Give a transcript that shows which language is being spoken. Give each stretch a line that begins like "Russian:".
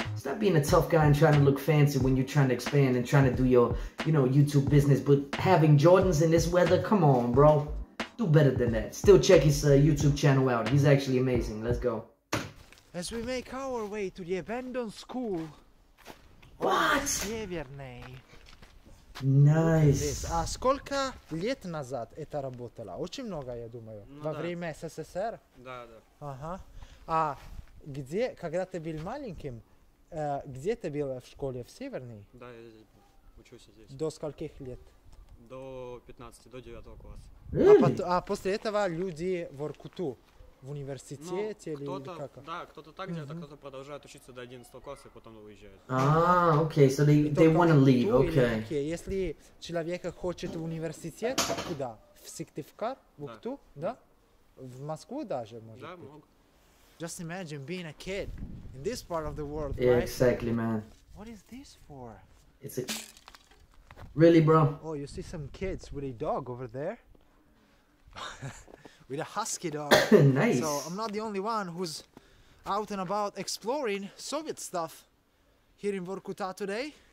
English: Stop being a tough guy and trying to look fancy when you're trying to expand and trying to do your, you know, YouTube business. But having Jordans in this weather? Come on, bro. Do better than that. Still check his YouTube channel out. He's actually amazing. Let's go. As we make our way to the abandoned school. What?
Russian: Северный.
English: Nice.
Russian: А сколько лет назад это работало? Очень много, я думаю. Ну, во да. время СССР? Да, да. Ага. А где, когда ты был маленьким, где ты был в школе? В Северный? Да, я здесь учусь здесь. До скольких лет? До 15, до 9 класса.
English: Really?
Russian: А после этого люди в Воркуту? В университете или как? Да, кто-то так делает, а кто-то продолжает учиться до 11 класса и потом уезжает. А, окей,
English: so they want to leave, okay.
Russian: Если человек хочет в университет, куда? В Сыктывкар, в Ухту, да? В Москву даже, может быть? Да, мог.
English: Just imagine being a kid in this part of the world, right? Yeah, exactly, man. What is this for? It's a... Really, bro? Oh, you see some kids with a dog over there? With a husky dog. Nice. So I'm not the only one who's out and about exploring Soviet stuff here in Vorkuta today.